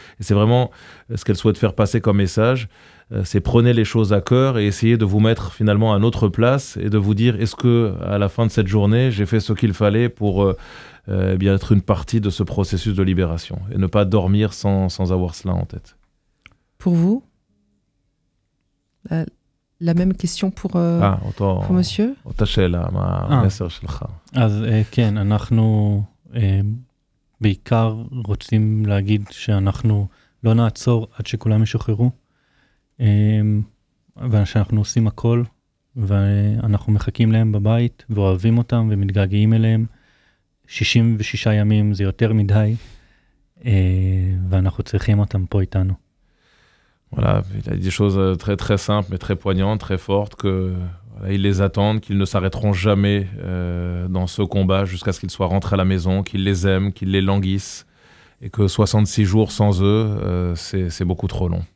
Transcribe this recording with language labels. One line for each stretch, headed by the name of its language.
French: Et c'est vraiment ce qu'elle souhaite faire passer comme message. C'est prenez les choses à cœur et essayez de vous mettre finalement à notre place et de vous dire est-ce que à la fin de cette journée j'ai fait ce qu'il fallait pour bien être une partie de ce processus de libération et ne pas dormir sans avoir cela en tête. Pour vous, la même question pour pour monsieur.
Hebrew: Ta chela ma message שלך. אז כן, אנחנו בעיקר רוצים להגיד שאנחנו לא נעצור עד שכולם ישוחררו. ושאנחנו עושים הכל, ואנחנו מחכים להם בבית, ואוהבים אותם, ומתגעגעים אליהם. 66 ימים זה יותר מדי, ואנחנו צריכים אותם פה איתנו.
French: Voilà, il a dit des choses très très simples, mais très poignantes, très fortes, que voilà, ils les attendent, qu'ils ne s'arrêteront jamais dans ce combat jusqu'à ce qu'ils soient rentrés à la maison, qu'ils les aiment, qu'ils les languissent, et que 66 jours sans eux, c'est beaucoup trop long.